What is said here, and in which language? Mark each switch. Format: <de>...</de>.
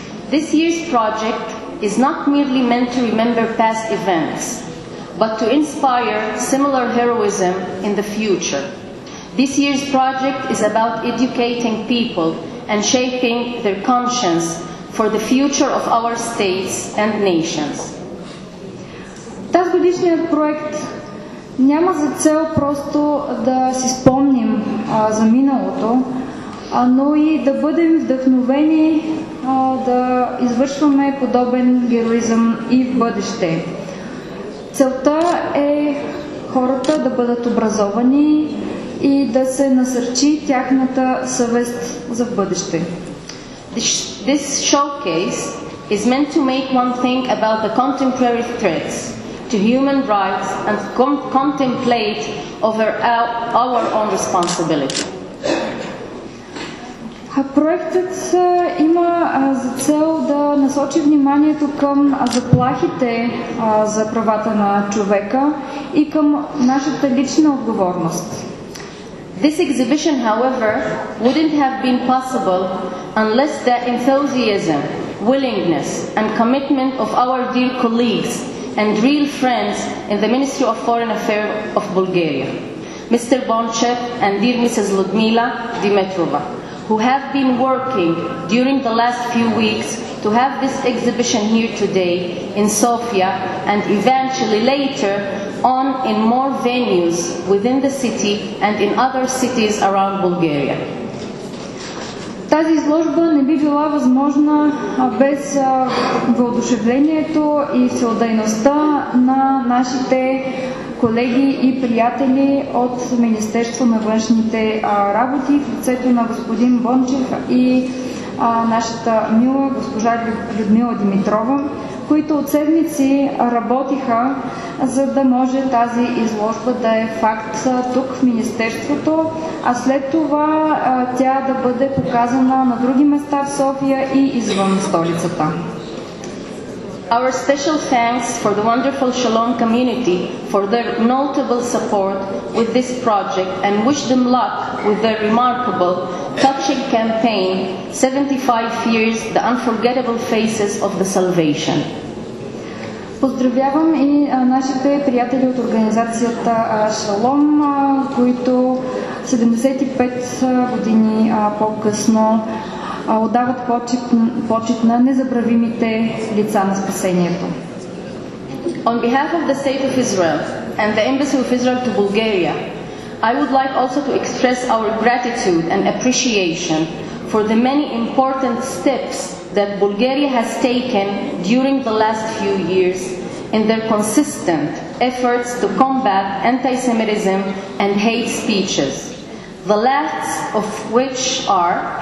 <en>This year's project is not merely meant to remember past events, but to inspire similar heroism in the future. This year's project is about educating people and shaping their conscience for the future of our states and nations.</en> <bg>Тази годишния проект няма за цел просто да си спомним за миналото, но и да бъдем вдъхновени да извършваме подобен героизъм и в бъдеще. Целта е хората да бъдат образовани и да се насърчи тяхната съвест за бъдеще.</bg> <en>This showcase is meant to make one think about the contemporary threats to human rights and contemplate over our own responsibility.</en> <bg>Проектът има за цел да насочи вниманието към заплахите за правата на човека и към нашата лична отговорност.</bg> <en>This exhibition, however, wouldn't have been possible unless the enthusiasm, willingness, and commitment of our dear colleagues and real friends in the Ministry of Foreign Affairs of Bulgaria, Mr. Bonchev and dear Mrs. Ludmila Dimitrova, who have been working during the last few weeks to have this exhibition here today in Sofia and eventually later on in more venues within the city and in other cities around Bulgaria.</en> <bg>Тази изложба не би била възможна без въодушевлението и всеотдайността на нашите колеги и приятели от Министерство на външните работи в лицето на господин Бончев и нашата мила госпожа Людмила Димитрова, които от седмици работиха, за да може тази изложба да е факт тук в Министерството, а след това тя да бъде показана на други места в София и извън столицата.</bg> <en>Our special thanks for the wonderful Shalom community for their notable support with this project and wish them luck with their remarkable touching campaign 75 years the unforgettable faces of the salvation.</en> <bg>Поздравявам и нашите приятели от организацията Шалом, които 75 години по-късно отдават почет на незабравимите лица на спасението.</bg> <en>On behalf of the State of Israel and the Embassy of Israel to Bulgaria, I would like also to express our gratitude and appreciation for the many important steps that Bulgaria has taken during the last few years in their consistent efforts to combat anti-Semitism and hate speeches, the last of which are...</en>